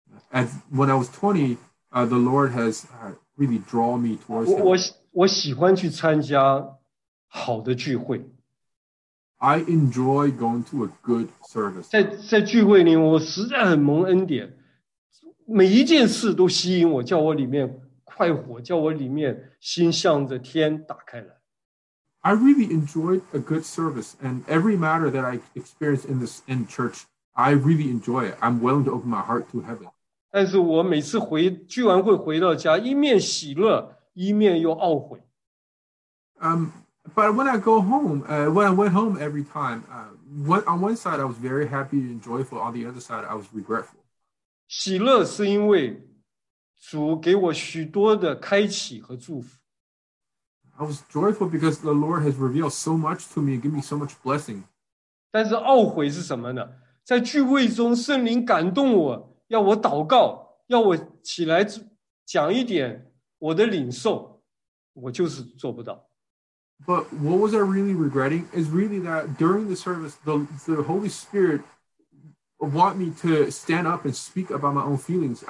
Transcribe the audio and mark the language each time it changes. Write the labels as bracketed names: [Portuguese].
[English] And when I was 20, the Lord has really drawn me towards him. [Chinese] 我喜欢去参加好的聚会。 [English] I enjoy going to a good service. [Chinese] 在聚会里我实在很蒙恩典，每一件事都吸引我，叫我里面快活，叫我里面心向着天打开来。 [English] I really enjoyed a good service, and every matter that I experienced in church, I really enjoy it. I'm willing to open my heart to heaven. [Chinese] 但是我每次回聚完会回到家，一面喜乐，一面又懊悔。 [English] But when I go home, when I went home every time, on one side I was very happy and joyful, on the other side I was regretful. [Chinese] 喜乐是因为主给我许多的开启和祝福。 [English] I was joyful because the Lord has revealed so much to me and given me so much blessing. [Chinese] 但是懊悔是什么呢？在聚会中，圣灵感动我，要我祷告，要我起来讲一点我的领受，我就是做不到。 [English] But what was I really regretting is really that during the service, the Holy Spirit want me to stand up and speak about my own feelings.